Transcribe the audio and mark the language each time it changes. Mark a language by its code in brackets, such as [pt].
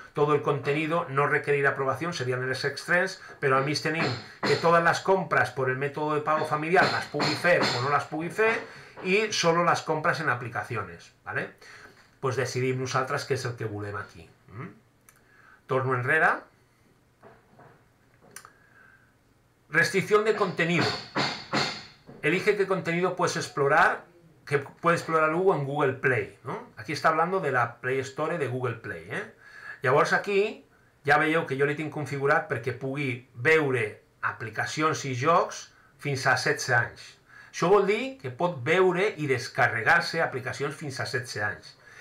[es] Todo el contenido no requerir aprobación serían [ca] en els extrems, però al mig tenim que totes les compres per el mètode de pago familiar les pugui fer o no les pugui fer i solo les compres en aplicaciones. ¿Vale? Pues decidim nosaltres què és el que volem aquí. Torno enrere. [es] Restricción de contenido. Elige qué contenido puedes explorar, que puede explorar Google en Google Play, ¿no? Aquí está hablando de la Play Store de Google Play, [ca] Llavors aquí ja veieu que jo li tinc configurat perquè pugui veure aplicacions i jocs fins a 16 anys. Això vol dir que pot veure i descarregar-se aplicacions fins a 16 anys.